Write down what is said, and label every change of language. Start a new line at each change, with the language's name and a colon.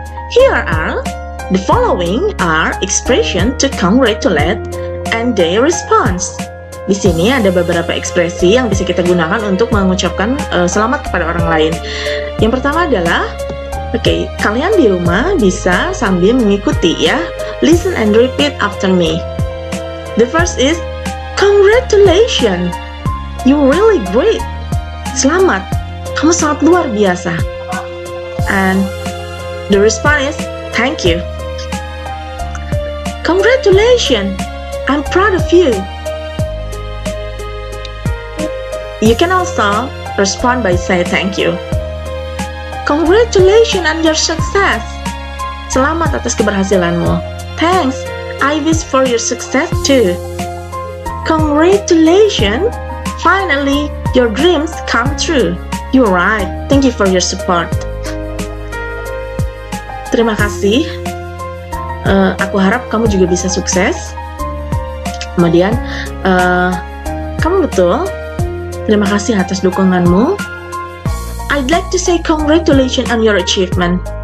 English: Here are the following are expression to congratulate and their response.
Indonesian: Di sini ada beberapa ekspresi yang bisa kita gunakan untuk mengucapkan selamat kepada orang lain. Yang pertama adalah, okay, kalian di rumah bisa sambil mengikuti ya.
English: Listen and repeat after me. The first is, congratulations, you're really great.
Indonesian: Selamat, kamu sangat luar biasa.
English: And the response is, thank you. Congratulations, I'm proud of you. You can also respond by saying thank you. Congratulations on your success.
Indonesian: Selamat atas keberhasilanmu.
English: Thanks, I wish for your success too. Congratulations, finally your dreams come true. You are right. Thank you for your support.
Indonesian: Terima kasih. Aku harap kamu juga bisa sukses. Kemudian, kamu betul. Terima kasih atas dukunganmu.
English: I'd like to say congratulations on your achievement.